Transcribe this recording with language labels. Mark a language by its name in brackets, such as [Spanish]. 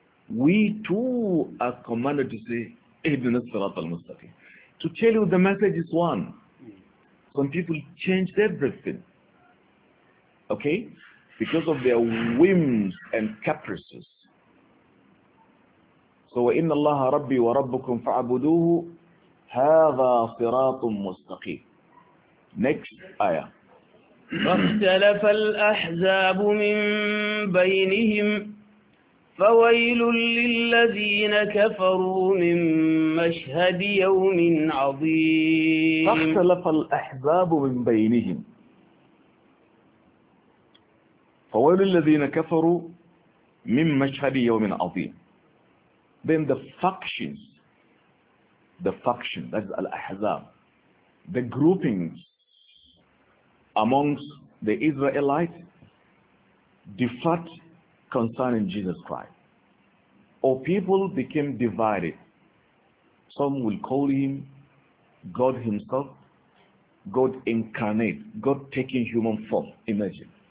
[English] We too are commanded to say, [Arabic] اِهْدِنَا الصِّرَاطَ الْمُسْتَقِيمَ. [English] To tell you the message is one. Some people changed everything, okay, because of their whims and caprices. [Arabic] So, وَإِنَّ اللَّهَ رَبِّي وَرَبُّكُمْ فَعَبُدُوهُ هَذَا صِرَاطٌ مُسْتَقِيمٌ. [English] Next ayah. [Arabic] فاختلف الأحزاب من بينهم فويل للذين كفروا من مشهد يوم عظيم. فاختلف الأحزاب من بينهم فويل للذين كفروا من مشهد يوم عظيم. [English] Then the factions, that's Al-Ahzab, the groupings amongst the Israelites differed concerning Jesus Christ. Or people became divided. Some will call him God himself, God incarnate, God taking human form, imagine.